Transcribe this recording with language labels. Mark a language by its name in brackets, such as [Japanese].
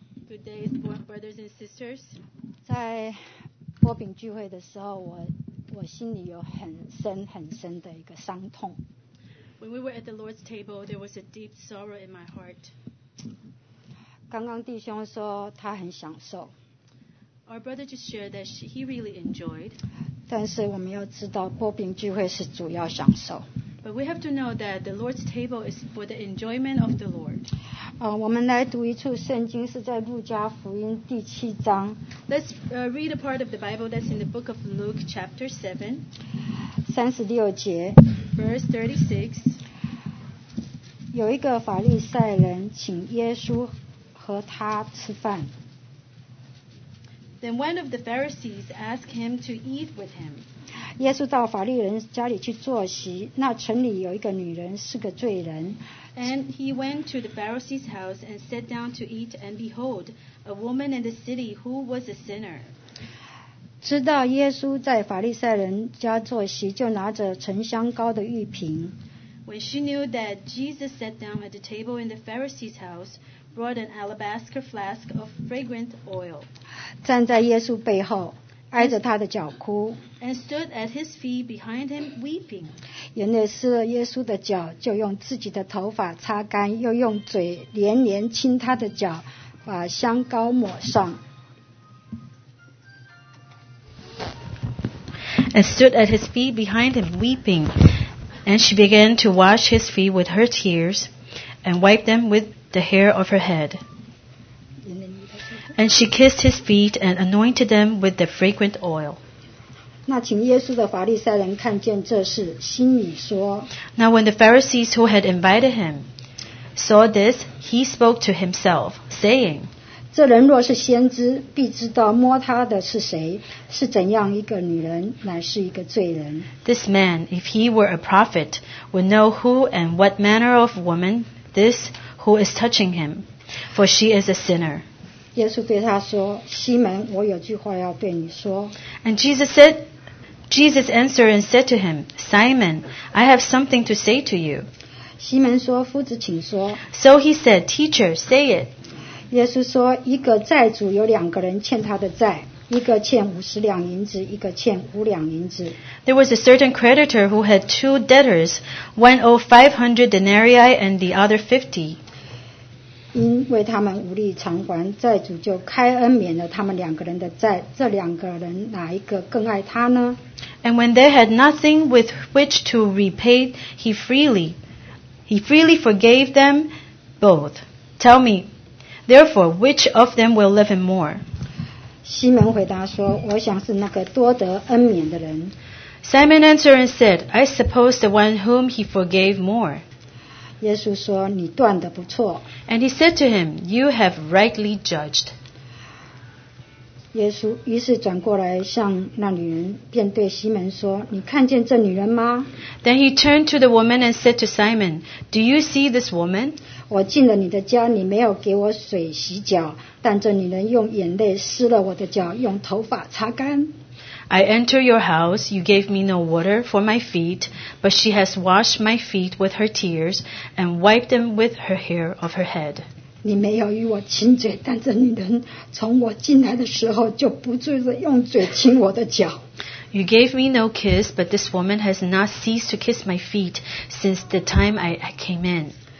[English] Good day, brothers and sisters. [Chinese] 在波饼聚会的时候，我心里有很深很深的一个伤痛。 [English] When we were at the Lord's table, there was a deep sorrow in my heart. [Chinese] 刚刚弟兄说他很享受。 [English] Our brother just shared that he really enjoyed. [Chinese] 但是我们要知道，波饼聚会是主要享受。 [English] But we have to know that the Lord's table is for the enjoyment of the Lord. [Chinese] 我们来读一处圣经，是在路加福音第七章。 [English] Let's read a part of the Bible that's in the book of Luke, chapter 7. [Chinese] 三十六节。 [English] Verse 36. [Chinese] 有一个法利赛人请耶稣和他吃饭。 [English] Then one of the Pharisees asked him to eat with him. [Chinese] 耶稣到法利人家里去坐席，那城里有一个女人是个罪人。 [English] And he went to the Pharisee's house and sat down to eat, and behold, a woman in the city who was a sinner. [Chinese] 知道耶稣在法利赛人家坐席，就拿着沉香膏的玉瓶。 [English] When she knew that Jesus sat down at the table in the Pharisee's house, brought an alabaster flask of fragrant oil. [Chinese] 站在耶稣背后，挨着他的脚哭。 [English] And stood at his feet behind him weeping. [Chinese] 眼泪湿了耶稣的脚，就用自己的头发擦干，又用嘴连连亲他的脚，把香膏抹上。 [English] And stood at his feet behind him weeping. And she began to wash his feet with her tears, and wiped them with the hair of her head. And she kissed his feet and anointed them with the fragrant oil. [Chinese] 那请耶稣的法利赛人看见这事，心里说。 [English] Now when the Pharisees who had invited him saw this, he spoke to himself, saying, [Chinese] 这人若是先知，必知道摸他的是谁，是怎样一个女人，乃是一个罪人。 [English] This man, if he were a prophet, would know who and what manner of woman this who is touching him, for she is a sinner. [Chinese] 耶稣对他说，西门，我有句话要对你说。 [English] And Jesus said, Jesus answered and said to him, Simon, I have something to say to you. [Chinese] 西门说，夫子请说。 [English] So he said, Teacher, say it. [Chinese] 耶稣说，一个债主有两个人欠他的债，一个欠五十两银子，一个欠五两银子。 [English] There was a certain creditor who had two debtors, one owed 500 denarii and the other 50. [Chinese] 因为他们无力偿还，债主就开恩免了他们两个人的债。这两个人哪一个更爱他呢？ [English] And when they had nothing with which to repay, he freely forgave them both. Tell me, therefore, which of them will love him more? [Chinese] 西门回答说，我想是那个多得恩免的人。 [English] Simon answered and said, I suppose the one whom he forgave more. [Chinese] 耶稣说，你断得不错。 [English] And he said to him, You have rightly judged. [Chinese] 耶稣于是转过来向那女人，便对西门说，你看见这女人吗？ [English] Then he turned to the woman and said to Simon, Do you see this woman? [Chinese] 我进了你的家，你没有给我水洗脚，但这女人用眼泪湿了我的脚，用头发擦干。 [English] I enter your house, you gave me no water for my feet, but she has washed my feet with her tears and wiped them with her hair of her head. [Chinese] 你没有与我亲嘴，但这女人从我进来的时候就不住地用嘴亲我的脚。 [English] You gave me no kiss, but this woman has not ceased to kiss my feet since the time I came in.